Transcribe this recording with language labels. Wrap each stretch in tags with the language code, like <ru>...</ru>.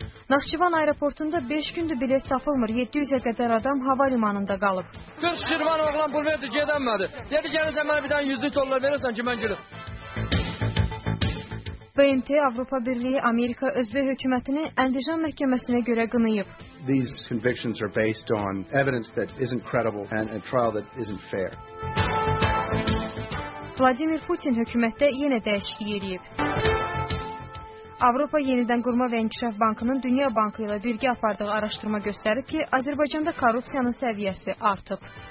<az>Naxçıvan aeroportunda 5 gündür bilet tapılmır, 700-ə qədər adam hava limanında qalıb. Qız Şirvan oğlan bulverdi, gedənmədi. Dedi, gələcək mənə bir dənə 100-lük dollar verirsən ki, mən gülüm. BMT, Avropa Birliyi, Amerika, Özbək hökumətini Əndişan məhkəməsinə görə qınayıb.</az> <en>These convictions are based on evidence that isn't credible and a trial that isn't fair.</en> <az>Vladimir Putin hökumətdə yenə dəyişiklik eləyib. Avropa Yenidən Qurma və İnkişaf Bankının Dünya Bankı ilə birgə apardığı araşdırma göstərib ki, Azərbaycanda korrupsiyanın səviyyəsi artıb.</az>